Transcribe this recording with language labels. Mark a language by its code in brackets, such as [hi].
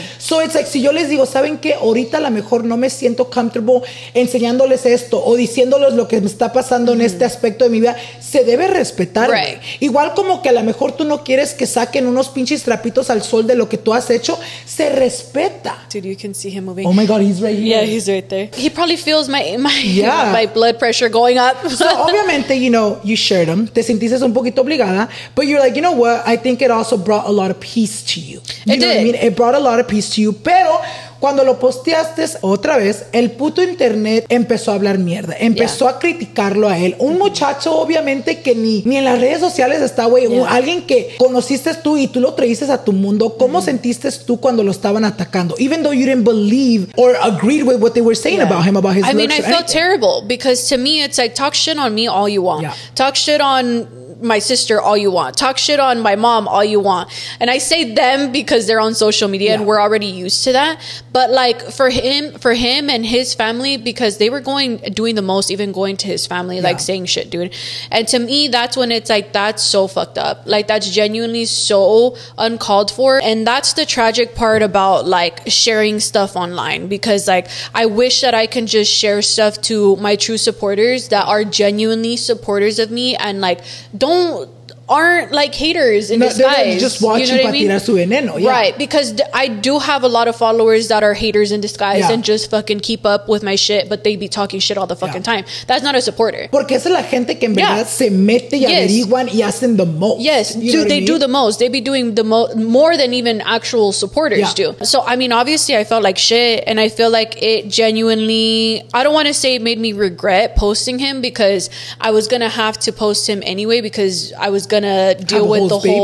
[es] So it's like, si yo les digo, ¿saben qué? Ahorita a lo mejor no me siento comfortable enseñándoles esto o diciéndoles lo que me está pasando en este aspecto de mi vida, se debe respetar. [en] Right. [es] Igual como que a lo mejor tú no quieres que saquen unos pinches trapitos al sol de lo que tú has hecho, se respeta. [en] Dude, you can see him moving. Oh my God, he's right here. Yeah, he's right there. He probably feels my blood pressure going up. So obviamente, you know, you shared him. Te sentiste un poquito obligada, but you're like, you know what? I think it also brought a lot of peace to you. You know what I mean? [es] It brought a lot of peace to you, pero cuando lo posteaste otra vez, el puto internet empezó a hablar mierda. Empezó a criticarlo a él. Un muchacho, obviamente, que ni en las redes sociales está, güey. Alguien que conociste tú y tú lo traíste a tu mundo. ¿Cómo sentiste tú cuando lo estaban atacando? [en] Even though you didn't believe or agreed with what they were saying about him, about his looks. I felt terrible because to me, it's like, talk shit on me all you want. Talk shit on my sister all you want. Talk shit on my mom all you want. And I say them because they're on social media and we're already used to that. But like for him and his family, because they were going, doing the most, even going to his family, like saying shit, dude. And to me, that's when it's like, that's so fucked up. Like that's genuinely so uncalled for. And that's the tragic part about like sharing stuff online, because like, I wish that I can just share stuff to my true supporters that are genuinely supporters of me and like aren't like haters in disguise. They're just watching, you know what I mean? [es] Tirar su veneno. Yeah. [en] Right, because I do have a lot of followers that are haters in disguise and just fucking keep up with my shit, but they be talking shit all the fucking time. That's not a supporter. [es] Porque esa es la gente que en verdad se mete y averiguan y hacen the most. [en] Yes, do the most. They be doing the most, more than even actual supporters do. So, I mean, obviously I felt like shit, and I feel like it genuinely, I don't want to say it made me regret posting him, because I was going to have to post him anyway, because I was gonna deal with the whole